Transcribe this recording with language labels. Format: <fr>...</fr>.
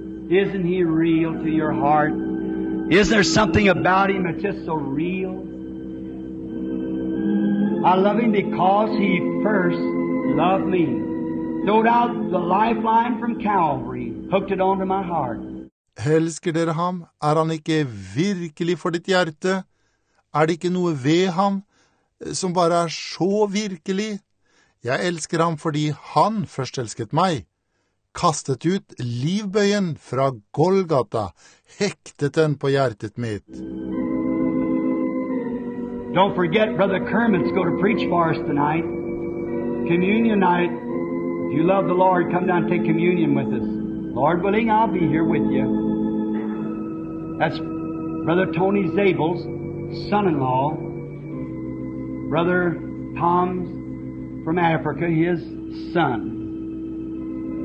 <en>Isn't he real to your heart? Is there something about him that's just so real? I love him because he first loved me. Throwed out the lifeline from Calvary, hooked it onto my heart.</en> <no>Elsker dere ham? Han ikke virkelig for ditt hjerte? Det ikke noe ved ham som bare så virkelig? Jeg elsker ham fordi han først elsket meg. Kastet ut livbøyen fra Golgata, hektet den på hjertet mitt.</no> <en>Don't forget, Brother Kermit's going to preach for us tonight. communion night, if you love the Lord, come down and take communion with us. Lord willing, I'll be here with you. That's Brother Tony Zabel's son-in-law, Brother Tom's from Africa, his son.</en>